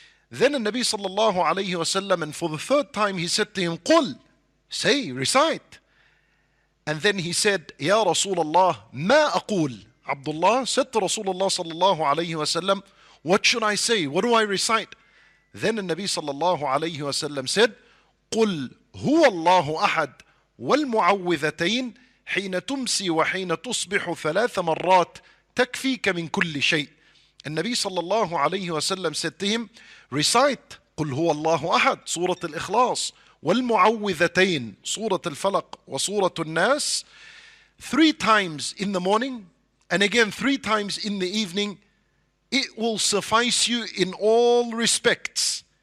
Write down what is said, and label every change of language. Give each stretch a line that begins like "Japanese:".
English: Then the Nabi sallallahu alayhi wa sallam, and for the third time, he said to him, قل, say, recite. And then he said,
Arabic: Ya Rasulullah, ma aqul.
English: Abdullah said to Rasulullah sallallahu alayhi wa sallam, what should I say? What do I recite? Then the Nabi sallallahu alayhi wa sallam said,
Arabic: قل هو الله أحد والمعوذتين حين تمسي وحين تصبح ثلاث مرات تكفيك من كل شيء.
English: And Nabi sallallahu alayhi wa sallam said to him, recite,
Arabic: قل هو الله أحد,
English: Surah Al-Ikhlas, والمعوذتين, Surah Al-Falaq,
Arabic: وصورت الناس,
English: three times in the morning, and again three times in the evening, it will suffice you in all respects.